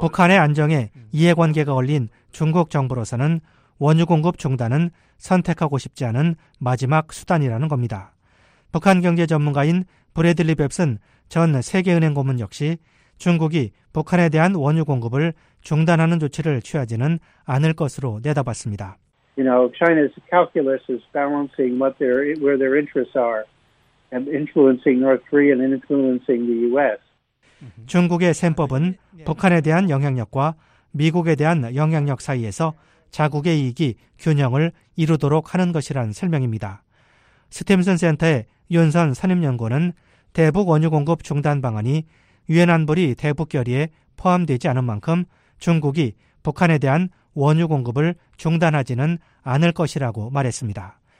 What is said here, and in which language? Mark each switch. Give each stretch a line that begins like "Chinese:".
Korean: 북한의 안정에 이해관계가 걸린 중국 정부로서는 원유 공급 중단은 선택하고 싶지 않은 마지막 수단이라는 겁니다. 북한 경제 전문가인 브래들리 뱁슨 전 세계은행 고문 역시 중국이 북한에 대한 원유 공급을 중단하는 조치를 취하지는 않을 것으로 내다봤습니다.
English: You know, China's calculus is balancing what their where their interests are and influencing North Korea and influencing the US.
Korean: 중국의 셈법은 북한에 대한 영향력과 미국에 대한 영향력 사이에서 자국의 이익이 균형을 이루도록 하는 것이란 설명입니다. 스팀슨 센터의 윤선 선임연구원은 대북 원유 공급 중단 방안이 유엔 안보리 대북 결의에 포함되지 않은 만큼 중국이 북한에 대한 원유 공급을 중단하지는 않을 것이라고 말했습니다.